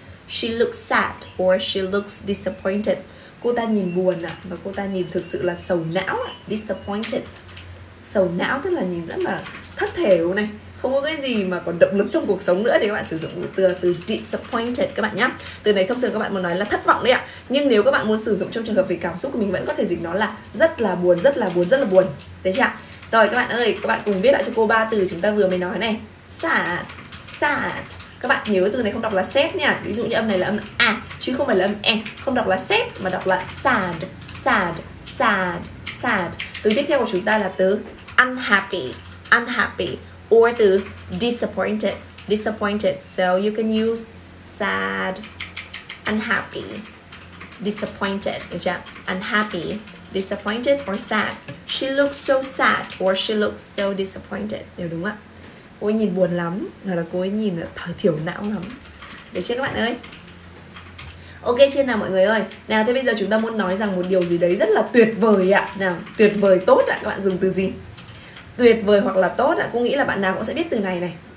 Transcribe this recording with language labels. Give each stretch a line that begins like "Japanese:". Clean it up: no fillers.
English: She looks sad or she looks disappointed.
Vietnamese: Cô ta nhìn buồn ạ, và cô ta nhìn thực sự là sầu não ạ. Disappointed. Sầu não tức là nhìn rất là thất thểu này, không có cái gì mà còn động lực trong cuộc sống nữa, thì các bạn sử dụng từ disappointed các bạn nhá. Từ này thông thường các bạn muốn nói là thất vọng đấy ạ. Nhưng nếu các bạn muốn sử dụng trong trường hợp về cảm xúc, mình vẫn có thể dịch nó là rất là buồn, rất là buồn, rất là buồn. Đấy chưa ạ? Rồi các bạn ơi, các bạn cùng viết lại cho cô ba từ chúng ta vừa mới nói này. Sad. Sad. Các bạn nhớ từ này không đọc là sad nha. Ví dụ như âm này là âm A chứ không phải là âm E. Không đọc là sad mà đọc là sad. Sad. Sad. Sad. Từ tiếp theo của chúng ta là từ unhappy. Unhappy. Or từ disappointed. Disappointed.
English: So you can use sad, unhappy, disappointed.
Vietnamese: Được chưa?
English: Unhappy, disappointed or sad. She looks so sad or she looks so disappointed.
Vietnamese: Điều đúng ạ. Cô ấy nhìn buồn lắm. Hoặc là cô ấy nhìn thiểu não lắm. Được chưa các bạn ơi? Ok chưa nào mọi người ơi? Nào thế bây giờ chúng ta muốn nói rằng một điều gì đấy rất là tuyệt vời ạ. Nào tuyệt vời tốt ạ. Các bạn dùng từ gì? Tuyệt vời hoặc là tốt ạ, cô nghĩ là bạn nào cũng sẽ biết từ này này.